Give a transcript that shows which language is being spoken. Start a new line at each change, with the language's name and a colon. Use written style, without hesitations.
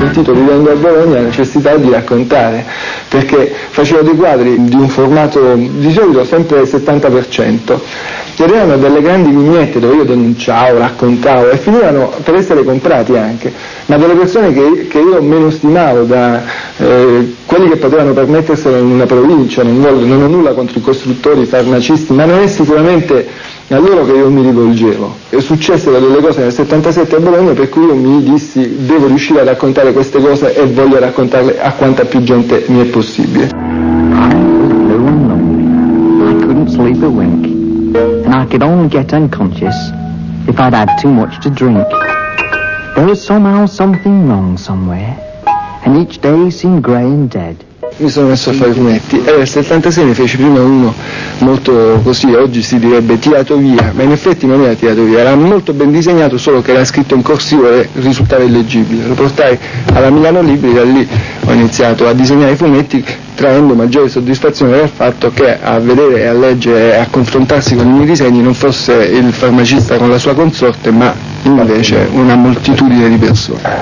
Italian: Vivendo a Bologna la necessità di raccontare, perché facevo dei quadri di un formato di solito sempre 70%, che erano delle grandi vignette dove io denunciavo, raccontavo e finivano per essere comprati anche, ma delle persone che io meno stimavo, da quelli che potevano permetterselo in una provincia, non ho nulla contro i costruttori, i farmacisti, ma non è sicuramente a loro che io mi rivolgevo. E successero delle cose nel 77 a Bologna per cui io mi dissi: devo riuscire a raccontare queste cose e voglio raccontarle a quanta più gente mi è possibile.
English: I was blue and lonely. I couldn't sleep a wink. And I could only get unconscious if I'd had too much to drink. There was somehow something wrong somewhere. And each day seemed grey and dead.
Italian: Mi sono messo a fare i fumetti e nel 76 ne feci prima uno molto così, oggi si direbbe tirato via, ma in effetti non era tirato via, era molto ben disegnato, solo che era scritto in corsivo e risultava illeggibile. Lo portai alla Milano Libri, da lì ho iniziato a disegnare i fumetti, traendo maggiore soddisfazione dal fatto che a vedere, a leggere e a confrontarsi con i miei disegni non fosse il farmacista con la sua consorte, ma invece una moltitudine di persone.